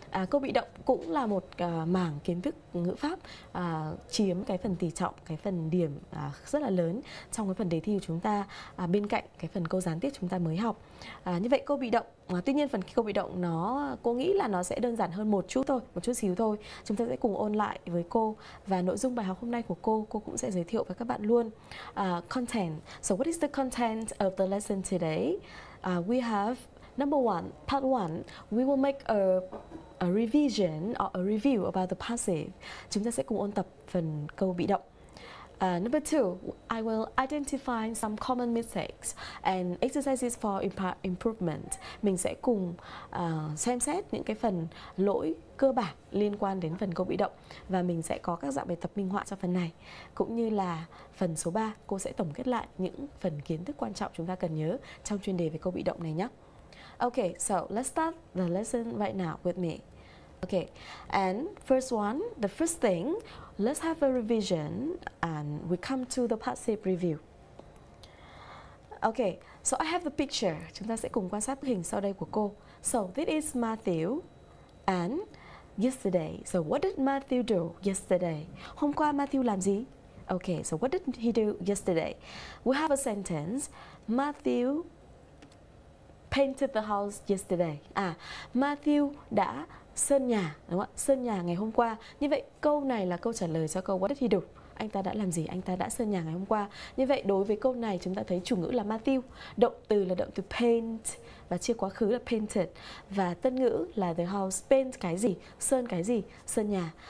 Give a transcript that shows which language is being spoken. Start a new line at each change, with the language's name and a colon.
Vietnamese: Câu bị động cũng là một mảng kiến thức ngữ pháp chiếm cái phần tỉ trọng, cái phần điểm rất là lớn trong cái phần đề thi của chúng ta, bên cạnh cái phần câu gián tiếp chúng ta mới học. Như vậy câu bị động, tuy nhiên phần câu bị động nó, cô nghĩ là nó sẽ đơn giản hơn một chút thôi, một chút xíu thôi. Chúng ta sẽ cùng ôn lại với cô và nội dung bài học hôm nay của cô cũng sẽ giới thiệu với các bạn luôn.
English: Content. So what is the content of the lesson today? We have number one, part one, we will make a revision or a review about the passive.
Vietnamese: Chúng ta sẽ cùng ôn tập phần câu bị động.
English: Number two, I will identify some common mistakes and exercises for improvement.
Vietnamese: Mình sẽ cùng xem xét những cái phần lỗi cơ bản liên quan đến phần câu bị động và mình sẽ có các dạng bài tập minh họa cho phần này. Cũng như là phần số 3, cô sẽ tổng kết lại những phần kiến thức quan trọng chúng ta cần nhớ trong chuyên đề về câu bị động này nhé.
English: Okay, so let's start the lesson right now with me. Okay, and first one, the first thing, let's have a revision and we come to the passive review. Okay, so I have the picture.
Vietnamese: Chúng ta sẽ cùng quan sát bức hình sau đây của cô.
English: So this is Matthew and yesterday. So what did Matthew do yesterday?
Vietnamese: Hôm qua Matthew làm gì?
English: Okay, so what did he do yesterday? We have a sentence, Matthew painted the house yesterday.
Vietnamese: Matthew đã sơn nhà, đúng không ạ? Sơn nhà ngày hôm qua. Như vậy câu này là câu trả lời cho câu
English: what did he do?
Vietnamese: Anh ta đã làm gì? Anh ta đã sơn nhà ngày hôm qua. Như vậy đối với câu này chúng ta thấy chủ ngữ là Matthew, động từ là động từ paint và chia quá khứ là painted và tân ngữ là the house. Paint cái gì? Sơn cái gì? Sơn nhà.